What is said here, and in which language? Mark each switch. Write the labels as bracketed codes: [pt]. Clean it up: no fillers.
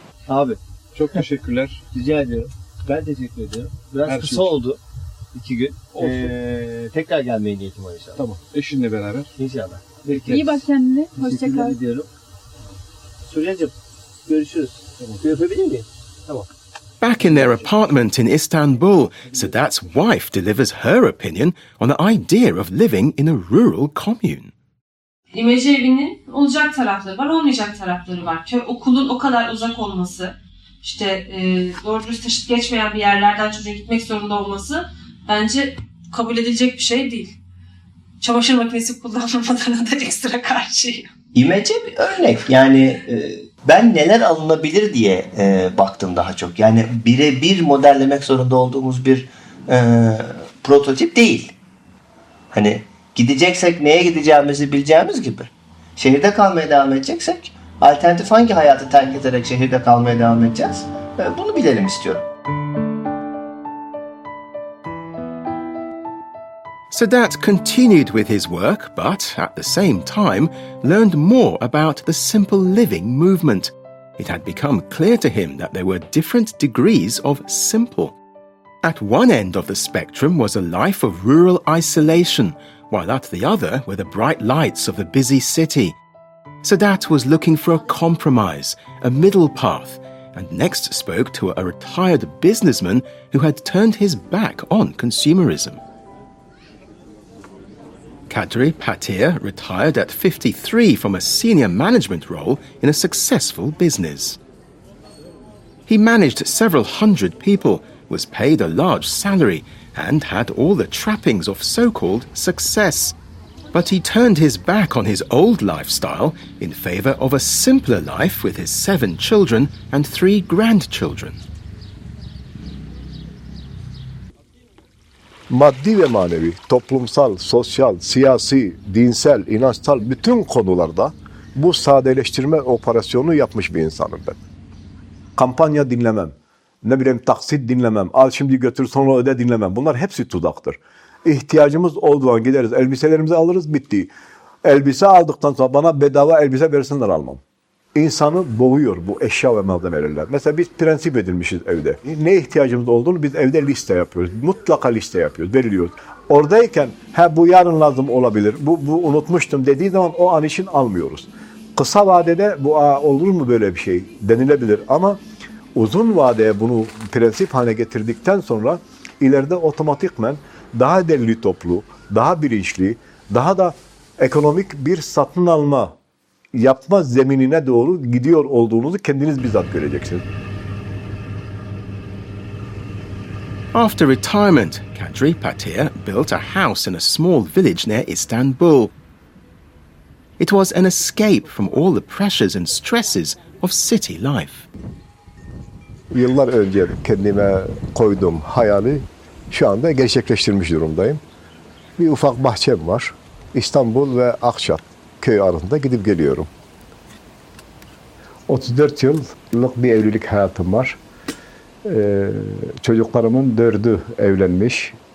[tr] Abi çok teşekkürler. Rica ediyorum. Ben teşekkür ediyorum. Biraz her kısa şey oldu. İki gün. Tekrar gelmeyi niyetim var inşallah. Tamam. Eşinle beraber. İnşallah. Birlikte. İyi bak kendine. Hoşçakal. Suriyacığım görüşürüz. Tamam. Yapabilir miyim? Tamam. [en] Back in their apartment in Istanbul, Sedat's wife delivers her opinion on the idea of living in a rural commune. [tr] İmece evinin olacak tarafları var, olmayacak tarafları var. Okulun o kadar uzak olması, işte doğru dürüst taşıt geçmeyen bir yerlerden çocuğa gitmek zorunda olması bence kabul edilecek bir şey değil. Çamaşır makinesi kullanmamalarına da ekstra karşıyım. İmece bir örnek. Yani ben neler alınabilir diye baktım daha çok. Yani birebir modellemek zorunda olduğumuz bir prototip değil. Hani gideceksek neye gideceğimizi bileceğimiz gibi. Şehirde kalmaya devam edeceksek alternatif hangi hayatı terk ederek şehirde kalmaya devam edeceğiz? Bunu bilelim istiyorum. [en] Sedat continued with his work, but at the same time learned more about the simple living movement. It had become clear to him that there were different degrees of simple. At one end of the spectrum was a life of rural isolation, while at the other were the bright lights of the busy city. Sedat was looking for a compromise, a middle path, and next spoke to a retired businessman who had turned his back on consumerism. Kadri Patir retired at 53 from a senior management role in a successful business. He managed several hundred people, was paid a large salary, and had all the trappings of so-called success. But he turned his back on his old lifestyle in favor of a simpler life with his 7 children and 3 grandchildren. [tr] maddi ve manevi, toplumsal, sosyal, siyasi, dinsel, inançsal bütün konularda bu sadeleştirme operasyonu yapmış bir insanım ben. Kampanya dinlemem, ne bileyim taksit dinlemem, al şimdi götür sonra öde dinlemem. Bunlar hepsi tuzaktır. İhtiyacımız olduğu an gideriz, elbiselerimizi alırız, bitti. Elbise aldıktan sonra bana bedava elbise versinler almam. İnsanı boğuyor bu eşya ve malzemeler. Mesela biz prensip edilmişiz evde. Ne ihtiyacımız olduğunu biz evde liste yapıyoruz. Mutlaka liste yapıyoruz, belirliyoruz. Oradayken bu yarın lazım olabilir, bu unutmuştum dediği zaman o an için almıyoruz. Kısa vadede bu olur mu böyle bir şey denilebilir ama uzun vadeye bunu prensip haline getirdikten sonra ileride otomatikmen daha derli toplu, daha bilinçli, daha da ekonomik bir satın alma yapma zeminine doğru gidiyor olduğunuzu kendiniz bizzat göreceksiniz. [en] After retirement, Kadri Patir built a house in a small village near Istanbul. It was an escape from all the pressures and stresses of city life. [tr] Yıllar önce kendime koyduğum hayali şu anda gerçekleştirmiş durumdayım. Bir ufak bahçem var. İstanbul ve Akçat köyü arasında gidip geliyorum. 34 yıllık bir evlilik hayatım var. Çocuklarımın dördü evlenmiş.